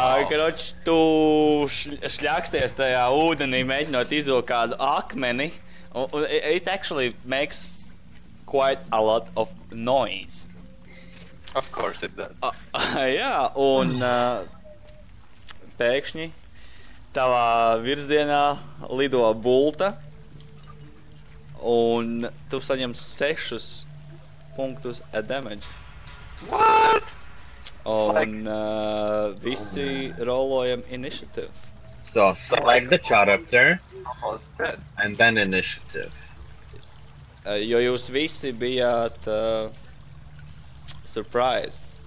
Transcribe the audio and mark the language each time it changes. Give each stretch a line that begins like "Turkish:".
Latvian: Kroči, tu šļāksties tajā ūdenī, mēģinot izvilkt kādu akmeni.
English: It actually makes quite a lot of noise. Of course it does.
Latvian: Jā, un... pēkšņi tavā virzienā lido bulta un tu saņem 6 punktus at damage.
English: What?
Latvian: Un visi rolojam initiative.
English: So, select the character and then initiative.
Latvian: Jo jūs visi bijāt surprised.